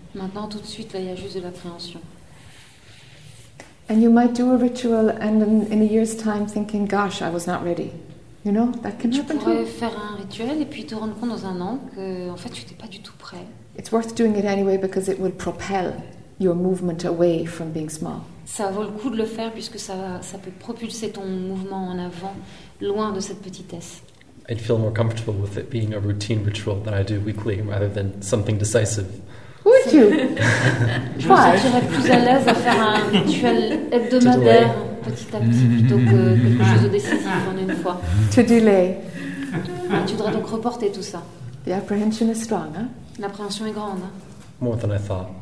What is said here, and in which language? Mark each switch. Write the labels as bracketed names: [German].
[French] Maintenant, tout de suite, là, il y a juste de l'appréhension. [English] And you might do a ritual, and in a year's time, thinking, "Gosh, I was not ready." You know, that can happen. [French] Tu pourrais faire un rituel et puis te rendre compte dans un an que, en fait, tu n'étais pas du tout prêt. [English] It's worth doing it anyway because it will propel your movement away from being small. [French] Ça vaut le coup de le faire puisque ça peut propulser ton mouvement en avant, loin de cette petitesse. [English] I'd feel more comfortable with it being a routine ritual that I do weekly rather than something decisive. Would you? [French] Je me sentirais plus à l'aise à faire un rituel hebdomadaire petit à petit plutôt que quelque chose de décisif en une fois. [English] To delay. [French] Et tu voudrais donc reporter tout ça. [English] The apprehension is strong, hein? [French] L'appréhension est grande. Hein? [English] More than I thought.